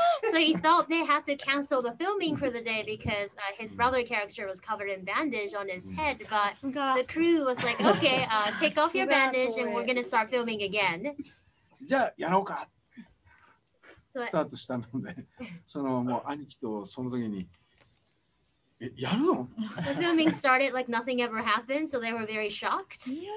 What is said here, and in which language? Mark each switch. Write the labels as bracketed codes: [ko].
[en] So he thought they had to cancel the filming for the day because his brother character was covered in bandage on his head. But the crew was like, okay, take off your bandage and we're going to start filming again. [ja] じゃあやろうか。スタートしたので、そのもう兄貴とその時に、やるの? [en] The filming started like nothing ever happened, so they were very shocked.